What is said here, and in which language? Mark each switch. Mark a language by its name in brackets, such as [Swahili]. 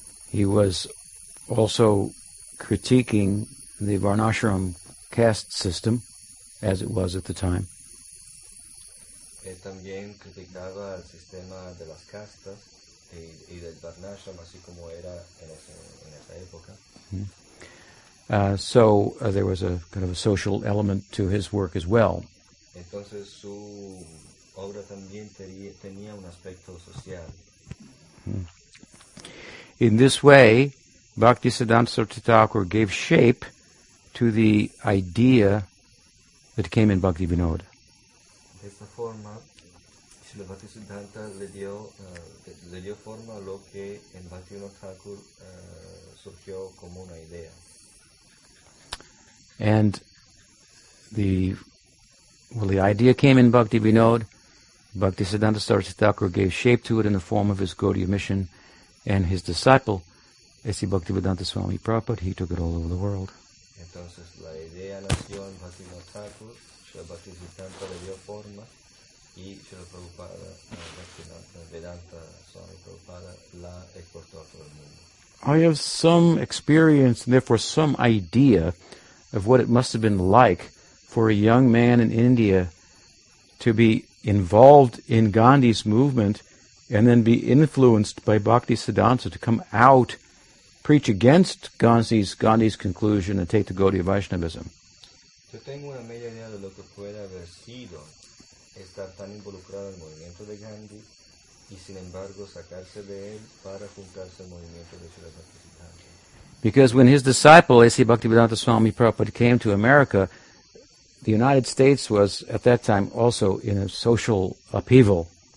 [English] He was also critiquing the Varnashram caste system, as it was at the time. [Spanish] También criticaba el sistema de las castas y del Varnashram, así como era en esa época. [English] So there was a kind of a social element to his work as well. [Spanish] Entonces su obra también tenía un aspecto social. [English] In this way, Bhaktisiddhanta Saraswati Thakura gave shape to the idea that came in Bhakti Vinod. [Spanish] De esta forma, Srila Bhaktisiddhanta le dio forma a lo que en Bhakti Vinod Thakur surgió como una idea. [English] And the idea came in Bhakti Vinod. Bhaktisiddhanta Saraswati Thakura gave shape to it in the form of his Gaudiya mission, and his disciple, S.C. Bhaktivedanta Swami Prabhupada, he took it all over the world. [Spanish] Entonces la idea nació en Bhakti Vinod Thakur, Srila Bhaktisiddhanta le dio forma y Srila Prabhupada, Bhaktivedanta Swami Prabhupada, la exportó a todo el mundo. [English] I have some experience and therefore some idea of what it must have been like for a young man in India to be involved in Gandhi's movement and then be influenced by Bhaktisiddhanta to come out, preach against Gandhi's conclusion and take the Gaudiya Vaishnavism. [Spanish] Yo tengo una media idea de lo que puede haber sido estar tan involucrado en el movimiento de Gandhi y sin embargo sacarse de él para juntarse al movimiento de Srila Bhaktisiddhanta. [English] Because when his disciple, A.C. Bhaktivedanta Swami Prabhupada, came to America, the United States was at that time also in a social upheaval.